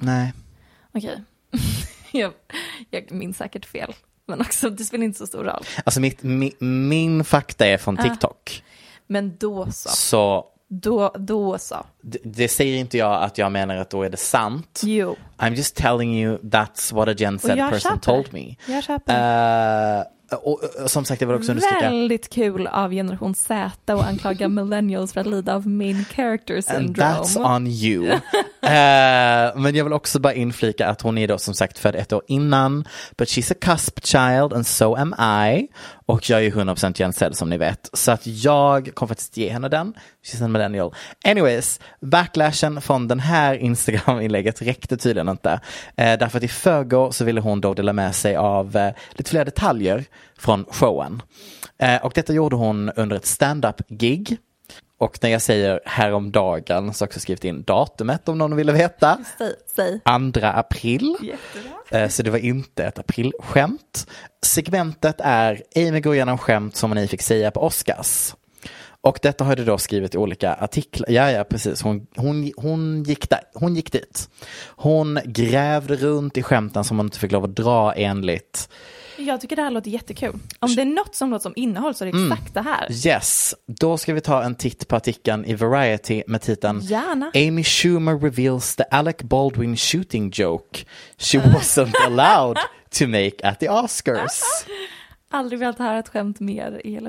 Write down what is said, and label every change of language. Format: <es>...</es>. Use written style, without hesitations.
<sv>Nej. Okej. Jag minns säkert fel. Men också, det spelar inte så stor roll. Alltså min fakta är från TikTok. Men då så. Så. Då så. Det säger inte jag att jag menar att då är det sant. Jo.</sv> <en>I'm just telling you that's what a Gen Z person told me.</en> <sv>Jag köper. Och som sagt, det var också understryka. Väldigt kul av generation Z och anklaga millennials för att lida av main character syndrome.</sv> <en>And that's on you.</en> <sv>men jag vill också bara inflika att hon är då som sagt född ett år innan.</sv> <en>But she's a cusp child and so am I.</en> <sv>Och jag är ju 100% Gen Z som ni vet. Så att jag kommer faktiskt ge henne den.</sv> <en>She's a millennial.</en> <sv>Anyways, backlashen från den här Instagram-inlägget räckte tydligen inte. Därför att i förrgår så ville hon då dela med sig av lite fler detaljer från showen. Och detta gjorde hon under ett stand-up-gig. Och när jag säger häromdagen så har jag också skrivit in datumet om någon ville veta. Säg. 2 april. Jättebra. Så det var inte ett aprilskämt. Segmentet är Amy går igenom skämt som ni fick säga på Oscars. Och detta har du då skrivit i olika artiklar. Ja, precis. Hon gick där. Hon gick dit. Hon grävde runt i skämten som hon inte fick lov att dra enligt. Jag tycker det här låter jättekul. Om det är något som låter som innehåll så är det exakt det här.</sv> <en>Yes.</en> <sv>Då ska vi ta en titt på artikeln i Variety med titeln Gärna.</sv> <en>Amy Schumer reveals the Alec Baldwin shooting joke she wasn't allowed to make at the Oscars.</en> <sv>Aldrig velat höra ett skämt mer i hela</sv>